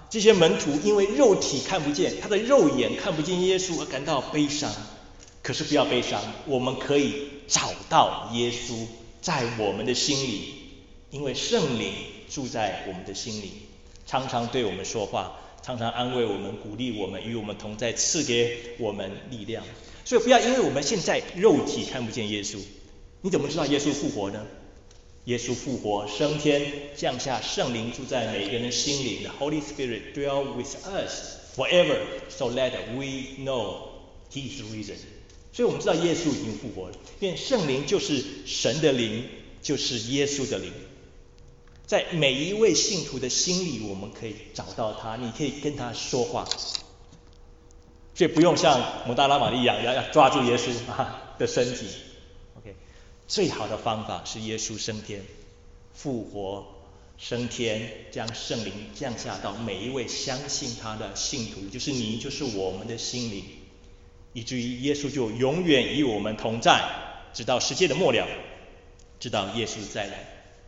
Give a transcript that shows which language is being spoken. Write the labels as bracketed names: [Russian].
[Chinese] 这些门徒因为肉体看不见，他的肉眼看不见耶稣而感到悲伤，可是不要悲伤，我们可以找到耶稣在我们的心里，因为圣灵住在我们的心里，常常对我们说话，常常安慰我们，鼓励我们，与我们同在，赐给我们力量。所以不要因为我们现在肉体看不见耶稣，你怎么知道耶稣复活呢？耶稣复活升天，降下圣灵住在每个人的心里。 [English] The Holy Spirit dwell with us forever, so that we know He is risen. [Chinese] 所以我们知道耶稣已经复活了，因为圣灵就是神的灵，就是耶稣的灵，在每一位信徒的心里，我们可以找到他，你可以跟他说话。所以不用像抹大拉玛利亚要抓住耶稣的身体，最好的方法是耶稣升天复活，升天将圣灵降下到每一位相信他的信徒，就是你，就是我们的心灵，以至于耶稣就永远与我们同在，直到世界的末了，直到耶稣再来。